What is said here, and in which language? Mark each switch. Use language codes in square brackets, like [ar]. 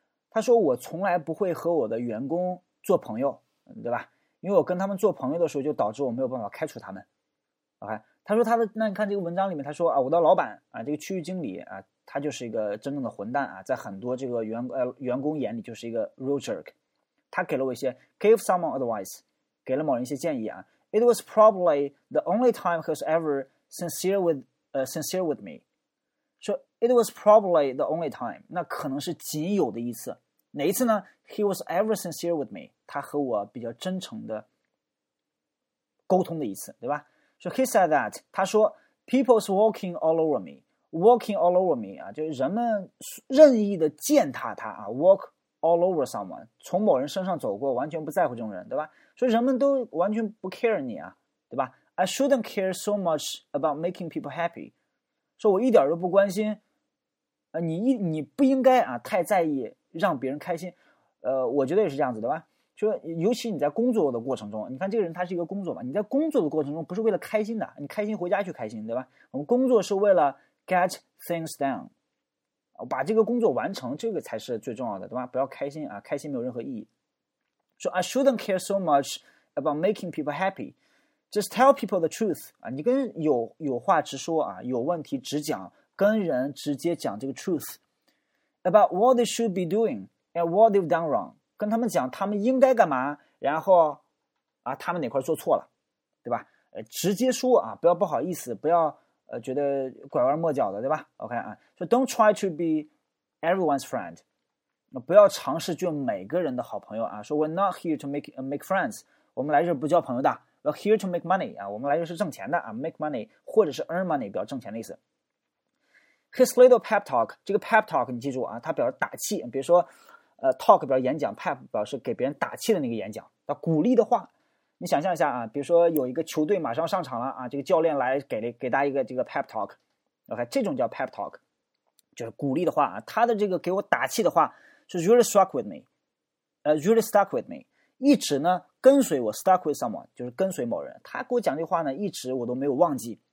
[zh] 他说我从来不会和我的员工做朋友，对吧？因为我跟他们做朋友的时候，就导致我没有办法开除他们。OK， 他说他的那你看这个文章里面，他说啊，我的老板啊，这个区域经理啊，他就是一个真正的混蛋啊，在很多这个员工眼里就是一个 [en] real jerk。 [zh] 他给了我一些 [en] give someone advice， [zh] 给了某人一些建议啊。 [en] It was probably the only time he was ever sincere with me. So it was probably the only time. [zh] 那可能是仅有的一次。哪一次呢 ？ [en] He was ever sincere with me. [zh] 他和我比较真诚的沟通的一次，对吧 ？ [en] So he said that. [zh] 他说 [en] ，People's walking all over me. Walking all over me. [zh] 啊，就是人们任意的践踏他啊。 [en] Walk all over someone. [zh] 从某人身上走过，完全不在乎这种人，对吧？所以人们都完全不 care 你啊，对吧 ？ [en] I shouldn't care so much about making people happy。 [zh] 说我一点都不关心，你不应该啊太在意让别人开心。我觉得也是这样子，对吧？说尤其你在工作的过程中，你看这个人他是一个工作嘛，你在工作的过程中不是为了开心的，你开心回家去开心，对吧？我们工作是为了 [en] get things done， [zh] 把这个工作完成，这个才是最重要的，对吧？不要开心啊，开心没有任何意义。 [en] So I shouldn't care so much about making people happy. Just tell people the truth. [zh] 啊，你跟有话直说啊，有问题直讲，跟人直接讲这个 [en] truth about what they should be doing and what they've done wrong. [zh] 跟他们讲他们应该干嘛，然后啊，他们哪块做错了，对吧？直接说啊，不要不好意思，不要觉得拐弯抹角的，对吧 ？OK 啊 ， [en] So don't try to be everyone's friend. [zh] 不要尝试就每个人的好朋友啊！说 [en] we're not here to make friends， [zh] 我们来这不交朋友的。 [en] We're here to make money [zh] 啊，我们来这是挣钱的啊 ，make money 或者是 [en] earn money [zh] 比较挣钱的意思。 [en] His little pep talk， [zh] 这个 pep talk 你记住啊，它表示打气。比如说，talk 表示演讲 ，pep 表示给别人打气的那个演讲，那鼓励的话。你想象一下啊，比如说有一个球队马上上场了啊，这个教练来给大家一个这个 pep talk， OK， 这种叫 pep talk， 就是鼓励的话啊。他的这个给我打气的话。 [en] So really stuck with me, really stuck with me. [zh] 一直呢跟随我 [en] stuck with someone [zh] 就是跟随某人。他给我讲这话呢，一直我都没有忘记。